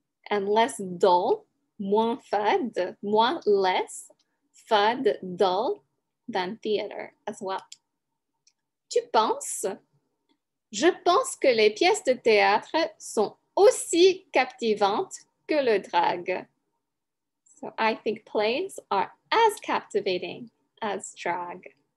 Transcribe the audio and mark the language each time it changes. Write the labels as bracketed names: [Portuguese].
[English] And less dull, [French] moins fade, moins [English] less fade, dull than theater as well. [French] Tu penses? Je pense que les pièces de théâtre sont aussi captivante que le drag. [English] So I think plays are as captivating as drag.